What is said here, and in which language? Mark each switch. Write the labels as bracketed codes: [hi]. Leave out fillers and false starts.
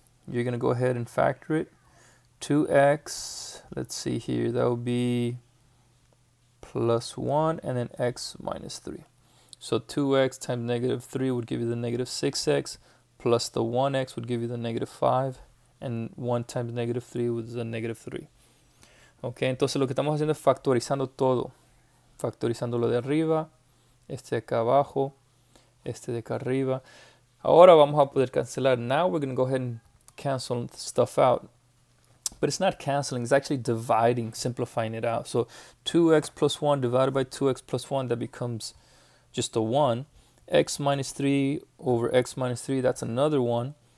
[en] You're going to go ahead and factor it. 2x, let's see here, that would be plus 1 and then x minus 3. So 2x times negative 3 would give you the negative 6x plus the 1x would give you the negative 5, and 1 times negative 3 was the negative 3. [es] Okay, entonces lo que estamos haciendo es factorizando todo. Factorizando lo de arriba, este de acá abajo, este de acá arriba. Ahora vamos a poder cancelar. [en] Now we're going to go ahead and cancel stuff out. But it's not canceling, it's actually dividing, simplifying it out. So 2x plus 1 divided by 2x plus 1, that becomes just a 1. X minus 3 over x minus 3, that's another 1.